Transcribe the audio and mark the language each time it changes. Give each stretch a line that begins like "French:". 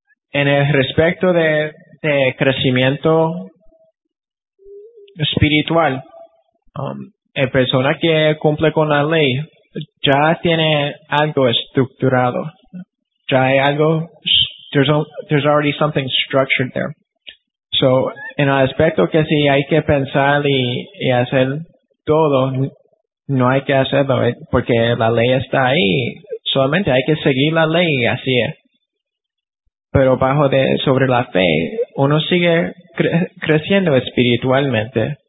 Spanish: En el respecto de crecimiento espiritual, la persona que cumple con la ley ya tiene algo estructurado. Ya hay algo,
English: there's already something structured there.
Spanish: So, en el aspecto que si hay que pensar y hacer todo, no hay que hacerlo, porque la ley está ahí. Solamente hay que seguir la ley y así es. Pero sobre la fe, uno sigue creciendo espiritualmente.